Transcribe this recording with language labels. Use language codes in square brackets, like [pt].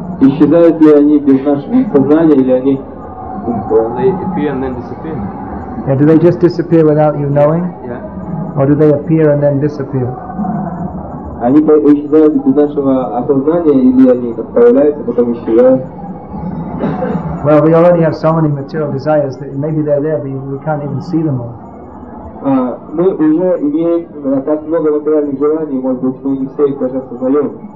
[ru] Исчезают ли они без нашего сознания, или они... [en] They appear and then disappear. Yeah, do they just disappear without you knowing? Yeah. Or do they appear and then disappear? [ru] Они исчезают без нашего осознания, или они появляются, потом исчезают? [en] Well, we already have so many material desires that maybe they're there, but we can't even see them all. [ru] Мы уже имеем так много материальных желаний, может быть, мы не все их даже осознаем.